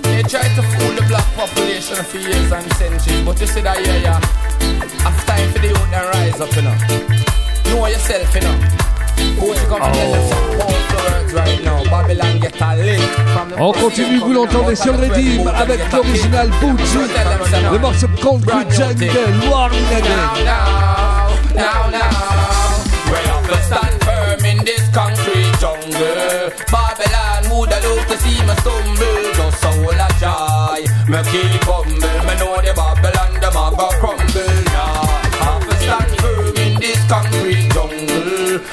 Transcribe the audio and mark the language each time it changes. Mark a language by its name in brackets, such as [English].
[English] Try to fool the black population for years and centuries, but you see that yeah, yeah. After time for the youth to rise up, you know. Know yourself, you know. Who's gonna get the support for it right now? Babylon get a lick. [French] On continue, vous l'entendez sur le team avec l'original Bucci, le morceau Country Jungle, Warren Again. [English] Now, now, now, now. We have to stand firm in this country jungle. Babylon would have loved to see me stumble. Soul of joy, me keep humble. Me know the Babylon, the mob a crumble. Yeah, have to stand firm in this concrete jungle.